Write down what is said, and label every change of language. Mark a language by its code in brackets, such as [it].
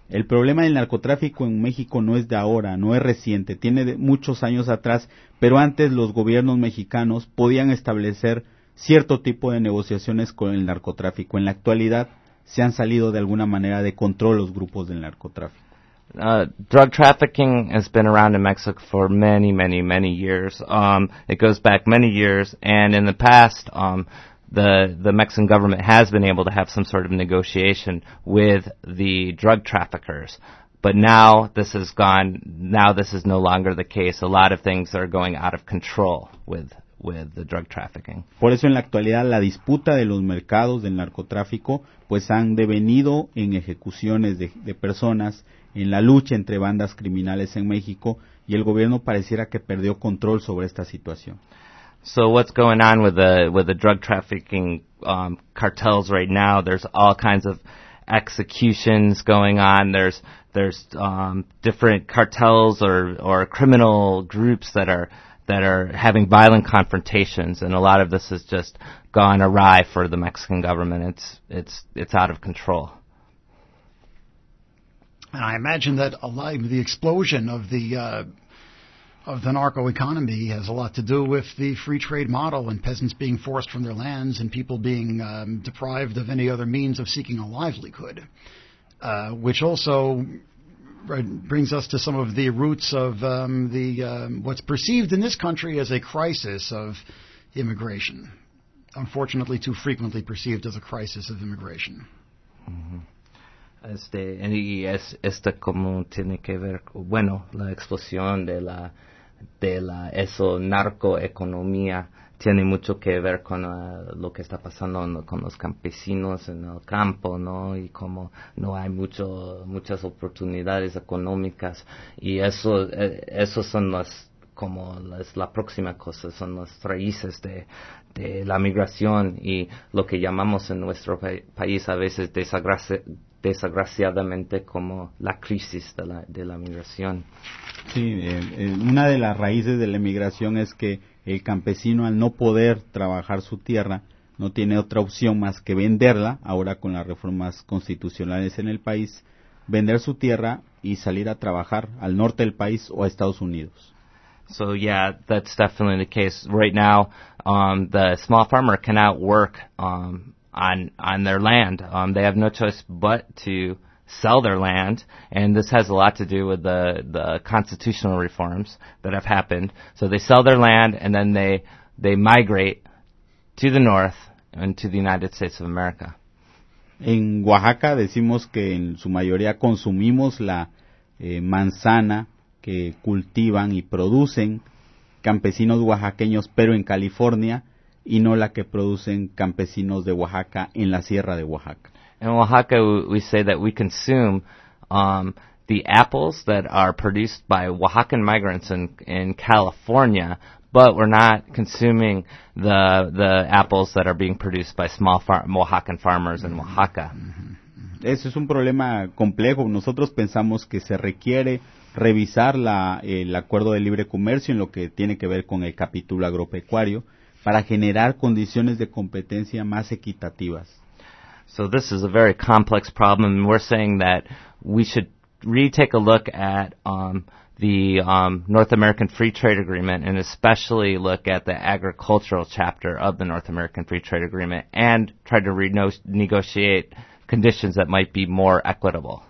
[es] El problema del narcotráfico en México no es de ahora, no es reciente, tiene muchos años atrás, pero antes los gobiernos mexicanos podían establecer cierto tipo de negociaciones con el narcotráfico. En la actualidad se han salido de alguna manera de control los grupos del narcotráfico. [en] Drug trafficking has been around in Mexico for many, many, many years. It goes back many years, and in the past, the Mexican government has been able to have some sort of negotiation with the drug traffickers. But now this has gone. Now this is no longer the case. A lot of things are going out of control with the drug trafficking. [es] Por eso, en la actualidad, la disputa de los mercados del narcotráfico pues han devenido en ejecuciones de personas. En la lucha entre bandas criminales en México, y el gobierno pareciera que perdió control sobre esta situación. [en] So what's going on with the drug trafficking cartels right now? There's all kinds of executions going on. There's different cartels or criminal groups that are having violent confrontations, and a lot of this has just gone awry for the Mexican government. It's out of control. And I imagine that the explosion of the narco economy has a lot to do with the free trade model and peasants being forced from their lands and people being deprived of any other means of seeking a livelihood, which also brings us to some of the roots of what's perceived in this country as a crisis of immigration, unfortunately too frequently perceived as a crisis of immigration. Mm-hmm. [es] Y esto como tiene que ver, bueno, la explosión de la eso narcoeconomía tiene mucho que ver con lo que está pasando con los campesinos en el campo, ¿no? Y como no hay muchas oportunidades económicas, y eso son la próxima cosa, son las raíces de la migración y lo que llamamos en nuestro país a veces desgraciadamente como la crisis de la migración. Sí, una de las raíces de la migración es que el campesino, al no poder trabajar su tierra, no tiene otra opción más que venderla, ahora con las reformas constitucionales en el país, vender su tierra y salir a trabajar al norte del país o a Estados Unidos. [en] So yeah, that's definitely the case. Right now, the small farmer cannot work on their land. They have no choice but to sell their land, and this has a lot to do with the constitutional reforms that have happened. So they sell their land, and then they migrate to the north and to the United States of America. [es] En Oaxaca decimos que en su mayoría consumimos la manzana que cultivan y producen campesinos oaxaqueños, pero en California, y no la que producen campesinos de Oaxaca en la Sierra de Oaxaca. [en] In Oaxaca, we say that we consume the apples that are produced by Oaxacan migrants in California, but we're not consuming the apples that are being produced by small Oaxacan farmers in Oaxaca. [es] Ese es un problema complejo. Nosotros pensamos que se requiere revisar el acuerdo de libre comercio en lo que tiene que ver con el capítulo agropecuario para generar condiciones de competencia más equitativas. [en] So this is a very complex problem, and we're saying that we should retake a look at the North American Free Trade Agreement, and especially look at the agricultural chapter of the North American Free Trade Agreement, and try to renegotiate conditions that might be more equitable.